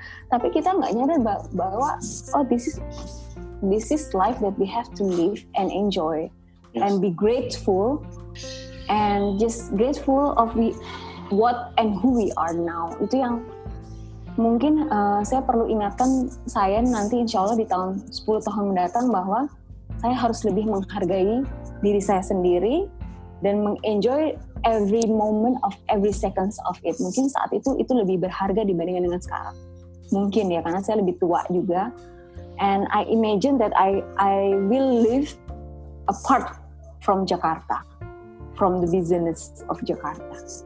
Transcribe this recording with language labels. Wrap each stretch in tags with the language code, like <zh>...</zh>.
<id>Tapi kita nggak nyadar bahwa</id> <en>oh this is life that we have to live and enjoy. Yes. And be grateful, and just grateful of what and who we are now.</en> <id>Itu yang mungkin saya perlu ingatkan saya nanti insya Allah di tahun 10 tahun mendatang, bahwa saya harus lebih menghargai diri saya sendiri dan mengenjoy</id> <en>every moment of every seconds of it.</en> <id>Mungkin saat itu lebih berharga dibandingkan dengan sekarang. Mungkin ya, karena saya lebih tua juga.</id> <en>And I imagine that I will live apart from Jakarta, from the business of Jakarta.</en>